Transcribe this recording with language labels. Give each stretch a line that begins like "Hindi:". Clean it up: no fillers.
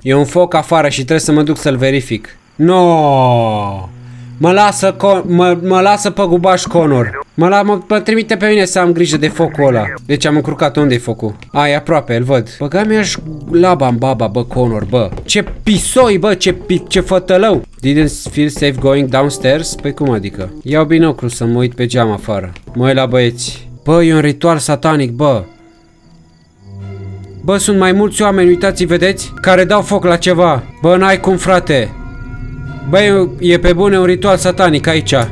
Romanian: E un foc afară și trebuie să mă duc să-l verific. No! Mă lasă pe gubaș Connor. Mă trimite pe mine să am grijă de focul ăla. Deci am încurcat, unde-i focul? A, e aproape, îl văd. Băga-mi ași laba în baba, bă, Connor, bă. Ce pisoi, bă, ce fătălău.
English: Didn't feel safe going downstairs?
Romanian: Păi cum adică? Iau binocul să mă uit pe geam afară. Mă uit la băieți. Bă, e un ritual satanic, bă. Bă, sunt mai mulți oameni, uitați-i, vedeți? Care dau foc la ceva. Bă, n-ai cum, frate. Băi, e pe bune un ritual satanic aici.